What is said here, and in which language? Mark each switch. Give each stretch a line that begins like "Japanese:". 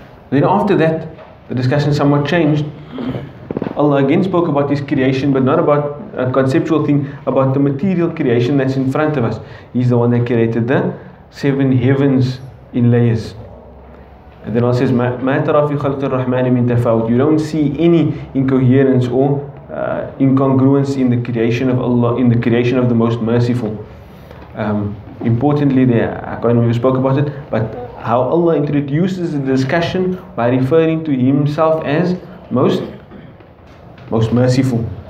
English: Then after that, the discussion somewhat changed. Allah again spoke about his creation, but not about a conceptual thing, about the material creation that's in front of us. He's the one that created the seven heavens in layers. And then Allah says,
Arabic: مَا تَرَى فِي خَلْقِ الرَّحْمَنِ مِنْ تَفَاوْتِ.
English: You don't see any incoherence or incongruence in the creation of Allah, in the creation of the Most Merciful. Importantly, I can't remember if we spoke about it, but how Allah introduces the discussion by referring to Himself as most merciful.